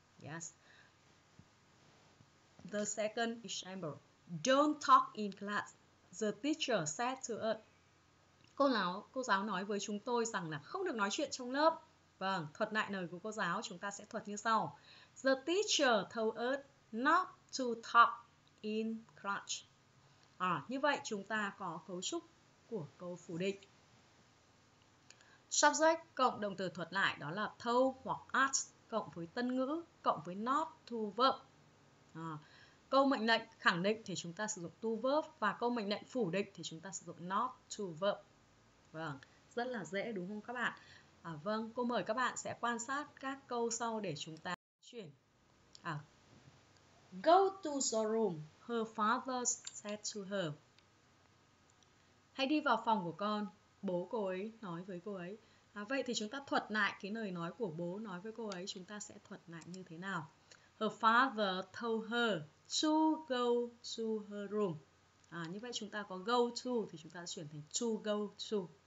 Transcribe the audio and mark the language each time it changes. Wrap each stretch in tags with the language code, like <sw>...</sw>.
<en>Yes. The second example. Don't talk in class. The teacher said to us.</en> <vi>Cô giáo nói với chúng tôi rằng là không được nói chuyện trong lớp. Vâng, thuật lại lời của cô giáo, chúng ta sẽ thuật như sau.</vi> <en>The teacher told us not to talk in class.</en> <vi>Như vậy chúng ta có cấu trúc của câu phủ định. Subject cộng động từ thuật lại đó là told hoặc asked cộng với tân ngữ cộng với not to verb. Câu mệnh lệnh khẳng định thì chúng ta sử dụng to verb và câu mệnh lệnh phủ định thì chúng ta sử dụng not to verb. Vâng, rất là dễ đúng không các bạn? Vâng, cô mời các bạn sẽ quan sát các câu sau để chúng ta chuyển.</vi> <en>Go to the room, her father said to her.</en> <vi>Hãy đi vào phòng của con, bố cô ấy nói với cô ấy. Vậy thì chúng ta thuật lại cái lời nói của bố nói với cô ấy, chúng ta sẽ thuật lại như thế nào?</vi> <en>Her father told her to go to her room.</en> <vi>Như vậy chúng ta có go to thì chúng ta chuyển thành to go to.</vi>